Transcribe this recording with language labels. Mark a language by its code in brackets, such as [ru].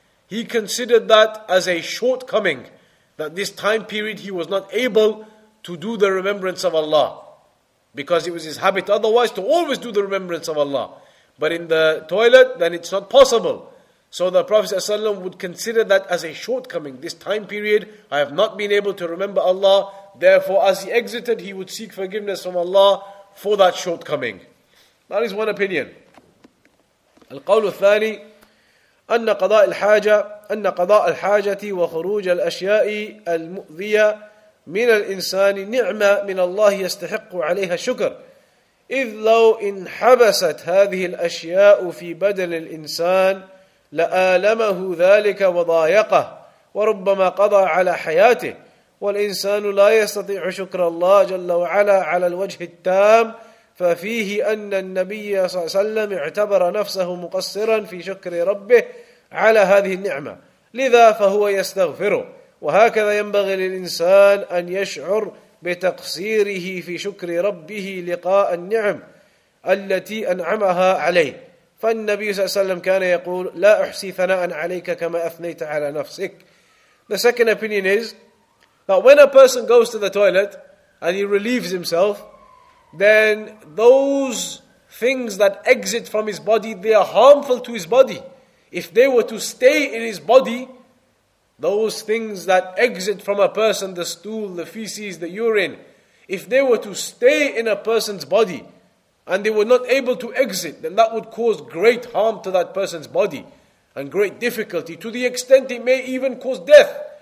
[en] He considered that as a shortcoming, that this time period he was not able to do the remembrance of Allah, because it was his habit otherwise to always do the remembrance of Allah. But in the toilet, then it's not possible. So the Prophet ﷺ would consider that as a shortcoming. This time period, I have not been able to remember Allah. Therefore, as he exited, he would seek forgiveness from Allah for that shortcoming. That is one opinion. [ar] القول الثاني أن قضاء الحاجة أن قضاء الحاجة وخروج الأشياء المؤذية من الإنسان نعمة من الله يستحق عليها الشكر إذ لو انحبست هذه الأشياء في بدن الإنسان لآلمه ذلك وضايقه وربما قضى على حياته والإنسان لا يستطيع شكر الله جل وعلا على الوجه التام ففيه أن النبي صلى الله عليه وسلم اعتبر نفسه مقصرا في شكر ربه على هذه النعمة لذا فهو يستغفره وهكذا ينبغي للإنسان أن يشعر بتقصيره في شكر ربه لقاء النعم التي أنعمها عليه فالنبي صلى الله عليه وسلم كان يقول لا أحسي ثناء عليك كما أثنيت على نفسك. [en] The second opinion is that when a person goes to the toilet and he relieves himself, then those things that exit from his body, they are harmful to his body. If they were to stay in his body, those things that exit from a person, the stool, the feces, the urine, if they were to stay in a person's body and they were not able to exit, then that would cause great harm to that person's body and great difficulty, to the extent it may even cause death.